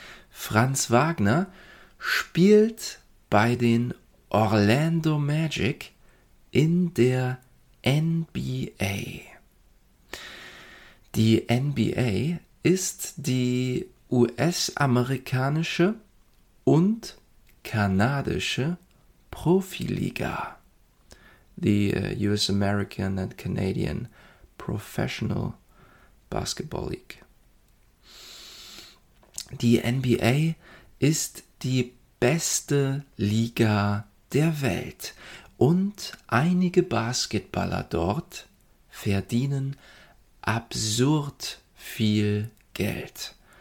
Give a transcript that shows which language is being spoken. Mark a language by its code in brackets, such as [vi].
[de] Franz Wagner spielt bei den Orlando Magic in der NBA. Die NBA ist die US-amerikanische und kanadische Profiliga. [en] The US American and Canadian Professional Basketball League. [de] Die NBA ist die beste Liga der Welt und einige Basketballer dort verdienen absurd viel Geld.